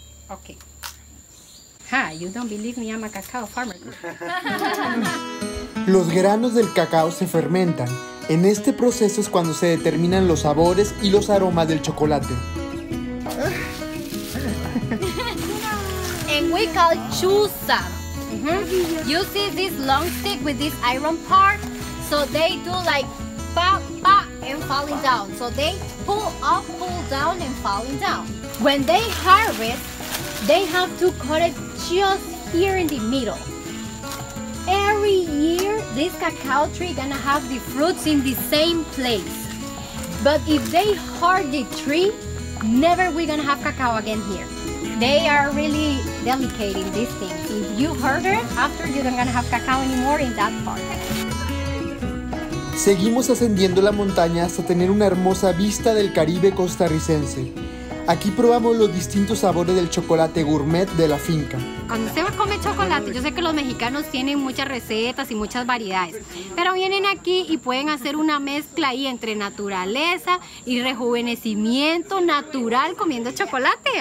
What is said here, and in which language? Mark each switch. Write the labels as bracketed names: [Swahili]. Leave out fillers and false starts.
[English] Okay. Ha, you don't believe me, I'm a cacao farmer. [Spanish] Los granos del cacao se fermentan. En este proceso es cuando se determinan los sabores y los aromas del chocolate. [English] And we call chusa. Mm-hmm. You see this long stick with this iron part? So they do like pop, pop and falling down. So they pull up, pull down and falling down. When they harvest, they have to cut it just here in the middle. Every year, this cacao tree gonna have the fruits in the same place. But if they hurt the tree, never we gonna have cacao again here. They are really delicate in this thing. If you hurt it, after you're not gonna have cacao anymore in that part. [Spanish] Seguimos ascendiendo la montaña hasta tener una hermosa vista del Caribe costarricense. Aquí probamos los distintos sabores del chocolate gourmet de la finca. Cuando usted va a comer chocolate, yo sé que los mexicanos tienen muchas recetas y muchas variedades, pero vienen aquí y pueden hacer una mezcla ahí entre naturaleza y rejuvenecimiento natural comiendo chocolate.